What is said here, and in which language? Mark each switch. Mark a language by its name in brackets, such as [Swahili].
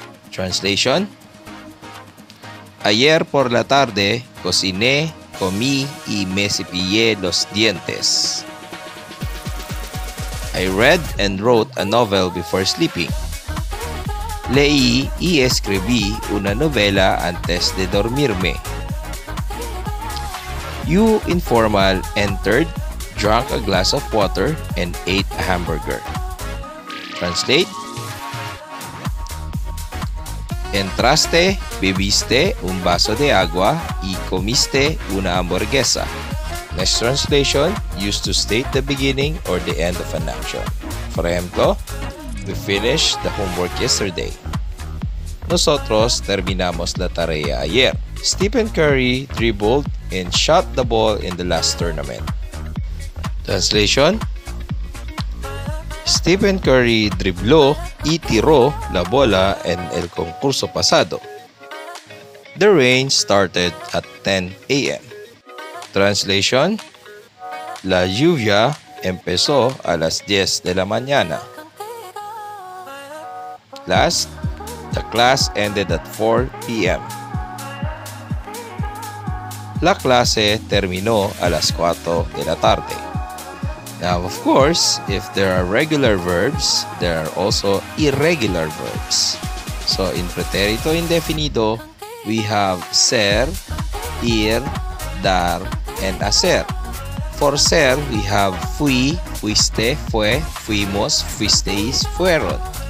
[Spanish] Translation, ayer por la tarde, cociné, comí y me cepillé los dientes. [English] I read and wrote a novel before sleeping. [Spanish] Leí y escribí una novela antes de dormirme. [English] You informal entered, drank a glass of water, and ate a hamburger. Translate. [Spanish] Entraste, bebiste un vaso de agua y comiste una hamburguesa. [English] Next translation, used to state the beginning or the end of an action. For example, we finished the homework yesterday. [Spanish] Nosotros terminamos la tarea ayer. [English] Stephen Curry dribbled and shot the ball in the last tournament. [Spanish] Translation, Stephen Curry dribló y tiró la bola en el concurso pasado. [English] The rain started at 10 a.m. [Spanish] Translation, la lluvia empezó a las 10 de la mañana. [English] Last, the class ended at 4 p.m. [Spanish] La clase terminó a las 4 de la tarde. [English] Now, of course, if there are regular verbs, there are also irregular verbs. So, in pretérito indefinido, we have ser, ir, dar, and hacer. For ser, we have [Spanish] fui, fuiste, fue, fuimos, fuisteis, fueron.